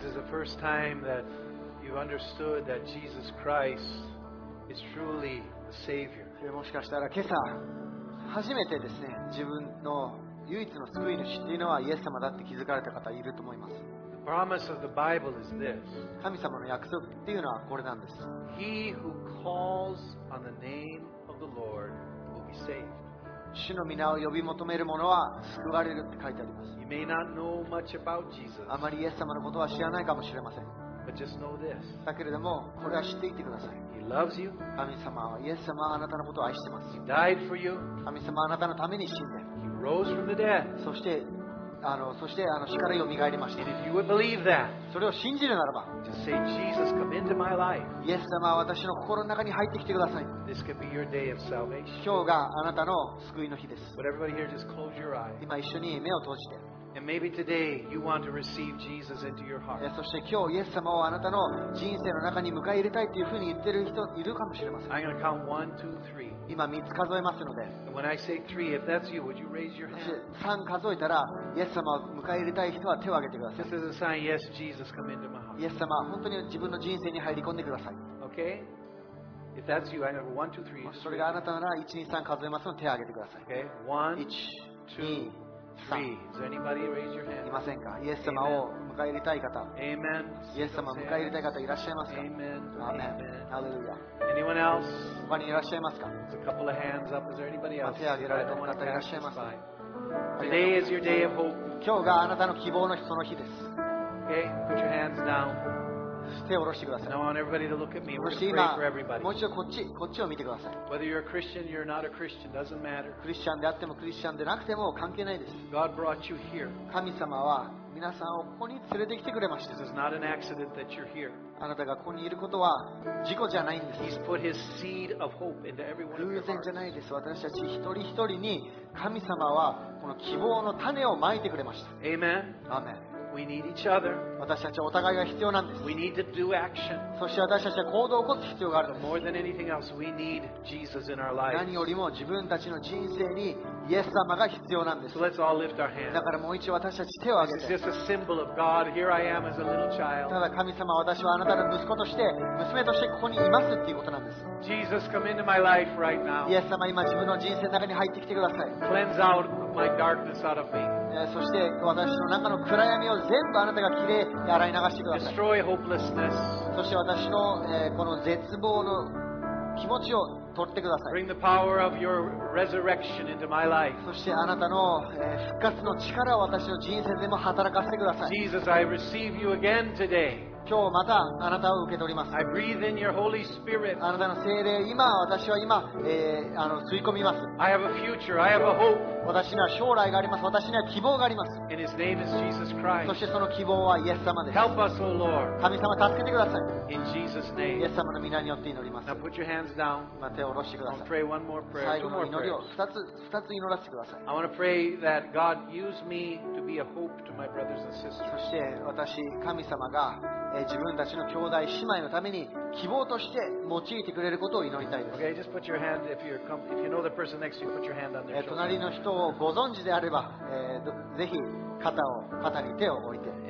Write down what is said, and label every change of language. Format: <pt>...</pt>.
<en>first time that you understood that Jesus Christ is truly the Savior.</en> <ja>もしかしたら今朝初めてですね、自分の唯一の救い主っていうのはイエス様だって気づかれた方いると思います。</ja> <en>The promise of the Bible is this.</en> <ja>神様の約束っていうのはこれなんです。</ja> <en>He who calls on the name of the Lord will be saved.</en> <ja>主の皆を呼び求める者は救われるって書いてあります。</ja> <en>You may not know much about Jesus,</en> <ja>あまりイエス様のことは知らないかもしれません。</ja> <en>But just know this.</en> <ja>だけれどもこれは知っていてください。</ja> <en>He loves you.</en> <ja>神様はイエス様はあなたのことを愛してます。</ja> <en>He died for you.</en> <ja>神様はあなたのために死んで、</ja> <en>He rose from the dead.</en> <ja>そして死からよみがえりました。</ja> <en>And if you would believe that,</en> <ja>それを信じるならば、</ja> <en>just say, Jesus, come into my life.</en> <ja>イエス様は私の心の中に入ってきてください。</ja> <en>This could be your day of salvation.</en> <ja>今日があなたの救いの日です。</ja> <en>But everybody here, just close your eyes.</en> <ja>今一緒に目を閉じて、</ja> <en>And maybe today you want to receive Jesus into your heart.</en> <ja>そして今日イエス様をあなたの人生の中に迎え入れたいというふうに言ってる人いるかもしれません。</ja> <en>I'm going to count 1, 2, 3.</en> <ja>今3つ数えますので、3数えたらイエス様を迎え入れたい人は手を挙げてください。</ja> <en>This is a sign, yes, Jesus, come into my heart.</en> <ja>イエス様本当に自分の人生に入り込んでください。</ja> <en>Okay, if that's you, I have 1, 2, 3.</en> <ja>もしそれがあなたなら 1, 2, 3 数えますので手を挙げてください。</ja> <en>Okay, 1, 2, 3. Is there anybody raise your hand?</en> <ja>いませんか。イエス様を迎え入れたい方、</ja> <en>Amen.</en> <ja>イエス様を迎え入れたい方いらっしゃいますか。</ja> <en>Amen. Amen. Hallelujah. Anyone else?</en> <ja>他にいらっしゃいますか。</ja> <en>There's a couple of hands up. Is there anybody else?</en> <ja>手を挙げられた方いらっしゃいますか。</ja> <en>Today is your day of hope.</en> <ja>今日があなたの希望の日、その日です。</ja> <en>Okay, put your hands down.</en> <ja>手を下ろしてください。</ja> <en>Now I want everybody to look at me. We're going to pray for everybody.</en> <ja>もう一度こっちを見てください。</ja> <en>Whether you're a Christian, you're not a Christian, doesn't matter.</en> <ja>クリスチャンであってもクリスチャンでなくても関係ないです。</ja> <en>God brought you here.</en> <ja>神様は皆さんをここに連れてきてくれました。</ja> <en>This is not an accident that you're here.</en> <ja>あなたがここにいることは事故じゃないんです。</ja> <en>He's put his seed of hope into every one of your hearts.</en> <ja>偶然じゃないです。私たち一人一人に神様はこの希望の種をまいてくれました。</ja> <en>Amen. Amen. We need each other.</en> <ja>私たちはお互いが必要なんです。</ja> <en>We need to do action.</en> <ja>そして私たちは行動を起こす必要があるんです。</ja> <en>More than anything else, we need Jesus in our lives.</en> <ja>何よりも自分たちの人生にイエス様が必要なんです。</ja> <en>So let's all lift our hands.</en> <ja>だからもう一度私たち手を挙げて。</ja> <en>This is just a symbol of God. Here I am as a little child.</en> <ja>ただ神様、私はあなたの息子として、娘としてここにいますっていうことなんです。</ja> <en>Jesus, come into my life right now.</en> <ja>イエス様、今自分の人生の中に入ってきてください。</ja> <en>Cleanse out my darkness out of me.</en> <ja>そして私の中の暗闇を全部あなたがきれいに洗い流してください。</ja> <en>Destroy hopelessness.</en> <ja>そして私の、この絶望の気持ちを取ってください。</ja> <en>Bring the power of your resurrection into my life.</en> <ja>そしてあなたの、復活の力を私の人生でも働かせてください。</ja> <en>Jesus, I receive you again today.</en> <ja>今日またあなたを受け取ります。</ja> <en>I breathe in your Holy Spirit.</en> <ja>あなたの聖霊、私は今、吸い込みます。</ja> <en>I have a future. I have a hope.</en> <ja>私には将来があります。私には希望があります。</ja> <en>And his name is Jesus Christ.</en> <ja>そしてその希望はイエス様です。</ja> <en>Help us, O Lord.</en> <ja>神様、助けてください。</ja> <en>In Jesus' name.</en> <ja>イエス様の皆によって祈ります。</ja> <en>Now put your hands down.</en> <ja>今手を下ろしてください。</ja> <en>I'll pray one more prayer.</en> <ja>最後の祈りを二つ祈らせてください。</ja> <en>I want to pray that God use me to be a hope to my brothers and sisters.</en> <ja>そして私、神様が自分たちの兄弟姉妹のために希望として用いてくれることを祈りたいです。隣の人をご存知であれば、ぜひ肩に手を置いて。</ja>